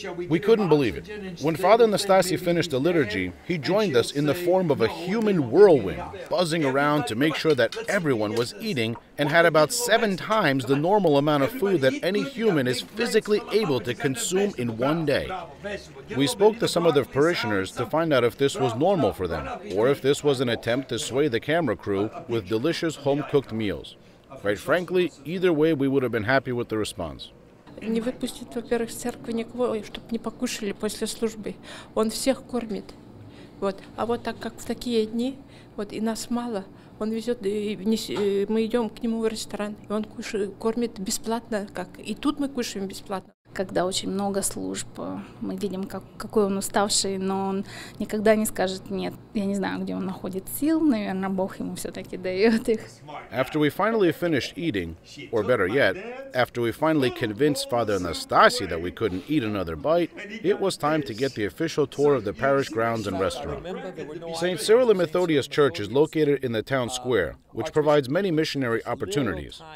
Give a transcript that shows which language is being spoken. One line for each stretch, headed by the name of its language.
English: We couldn't believe it. When Father Anastasi finished the liturgy, he joined us in the form of a human whirlwind, buzzing around to make sure that everyone was eating and had about seven times the normal amount of food that any human is physically able to consume in one day. We spoke to some of the parishioners to find out if this was normal for them, or if this was an attempt to sway the camera crew with delicious home-cooked meals. Quite frankly, either way, we would have been happy with the response.
Russian: Не выпустит, во-первых, из церкви никого, чтобы не покушали после службы. Он всех кормит. Вот. А вот так как в такие дни, вот и нас мало, Он везет, мы идем к нему в ресторан, и он кушает, кормит бесплатно, как и тут мы кушаем бесплатно. Когда очень много служб, мы видим, какой он уставший, но он никогда не скажет нет. Я не знаю, где он находит сил, наверное, Бог ему все-таки дает их.
English: After we finally finished eating, or better yet, after we finally convinced Father Anastasi that we couldn't eat another bite, it was time to get the official tour of the parish grounds and restaurant. St. Cyril and Methodius Church is located in the town square, which provides many missionary opportunities.